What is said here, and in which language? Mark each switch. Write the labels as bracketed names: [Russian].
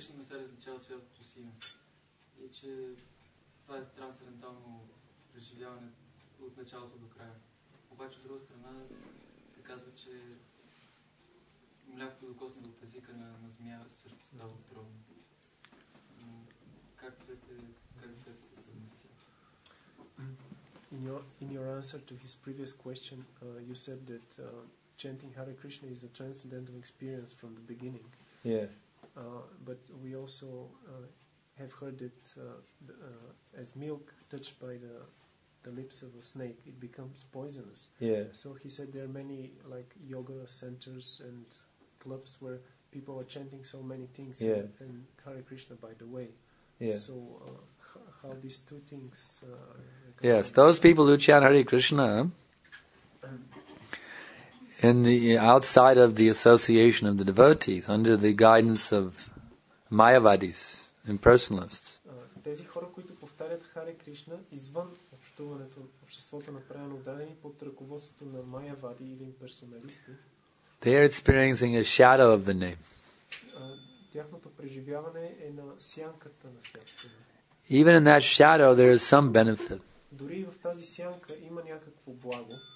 [Bulgarian] Различава святото си име. И че това е трансцендентално преживяване от началото до края. Обаче от друга страна се казва, че млякото докосне от езика на, на змия също става отровно. Как трябва да се съвмести? [English] In your answer to his previous question, you said that chanting Hare Krishna is a transcendental experience from the beginning. Yes. But we also have heard that as milk touched by the lips of a snake, it becomes poisonous. Yeah. So he said there are many like yoga centers and clubs where people are chanting so many things. Yeah. And Hare Krishna, by the way. Yeah. So how these two things... Yes, those people who chant Hare Krishna in the outside of the association of the devotees, under the guidance of Mayavadis, impersonalists. [Bulgarian] Тези хора, които повтарят Хари Кришна извън общуването, обществото направено дадени под ръководството на Майавади или имперсоналисти, [English] they are experiencing a shadow of the name. [Bulgarian] Тяхното преживяване е на сянката на святото. [English] Even in that shadow there is some benefit. [Bulgarian] Дори в тази сянка има някакво благо.